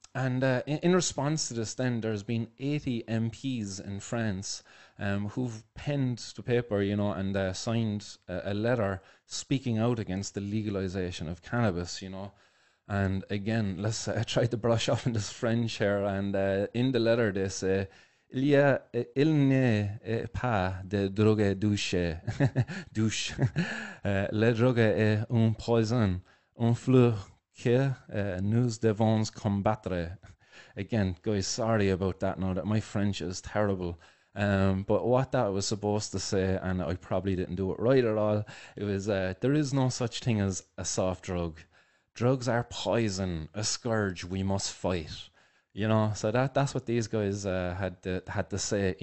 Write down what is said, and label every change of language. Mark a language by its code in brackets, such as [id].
[en] In response to this, then, there's been 80 MPs in France who've penned the paper, you know, and signed a letter speaking out against the legalization of cannabis, you know. And again, let's try to brush off in this French here. And in the letter, they say, [fr] Il y a il n'est pas de drogue douche douche. La drogue est un poison, un fléau que nous devons combattre. [en] Again, guys, sorry about that. Now that my French is terrible. But what that was supposed to say, and I probably didn't do it right at all, it was there is no such thing as a soft drug. Drugs are poison, a scourge we must fight. You know, so that's what these guys had to say.